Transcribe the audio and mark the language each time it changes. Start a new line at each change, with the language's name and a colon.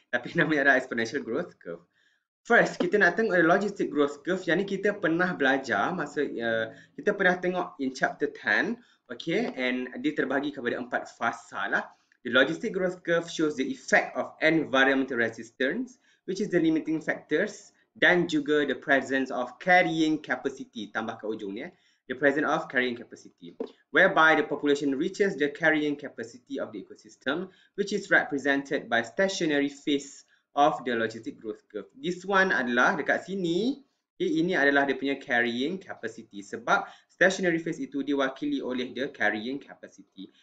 Malay: Tapi namanya adalah exponential growth curve. First, kita nak tengok the logistic growth curve. Yang ni kita pernah belajar masa, kita pernah tengok
English: in chapter 10.
Malay: Okay, and dia terbahagi kepada empat fasa lah.
English: The logistic growth curve shows the effect of environmental resistance, which is the limiting factors,
Malay: dan juga
English: the presence of carrying capacity,
Malay: tambah ke ujung ni, eh?
English: The presence of carrying capacity, whereby the population reaches the carrying capacity of the ecosystem, which is represented by stationary phase of the logistic growth curve. This one
Malay: adalah dekat sini, okay, ini adalah dia punya carrying capacity, sebab stationary phase itu diwakili oleh the carrying capacity.